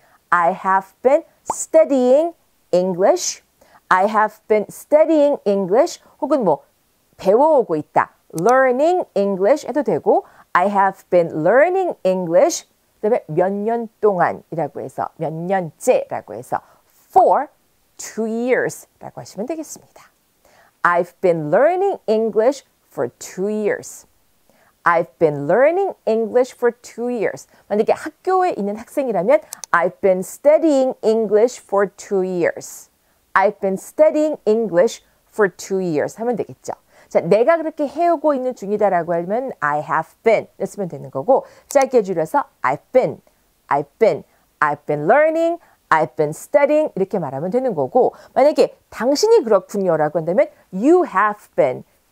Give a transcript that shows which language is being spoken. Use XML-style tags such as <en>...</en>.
<en>I have been studying English. I have been studying English.</en> <ko>혹은 뭐 배워오고 있다.</ko> <en>Learning English</en> <ko>해도 되고,</ko> <en>I have been learning English.</en> <ko>그다음에 몇 년 동안이라고 해서 몇 년째라고 해서</ko> <en>for 2 years</en> <ko>라고 하시면 되겠습니다.</ko> <en>I've been learning English for 2 years. I've been learning English for 2 years.</en> <ko>만약에 학교에 있는 학생이라면</ko> <en>I've been studying English for 2 years. I've been studying English for 2 years</en> <ko>하면 되겠죠. 자, 내가 그렇게 해오고 있는 중이다라고 하면</ko> <en>I have been</en> <ko>했으면 되는 거고, 짧게 줄여서</ko> <en>I've been learning, I've been studying</en> <ko>이렇게 말하면 되는 거고, 만약에 당신이 그렇군요라고 한다면</ko> <en>you've been</en>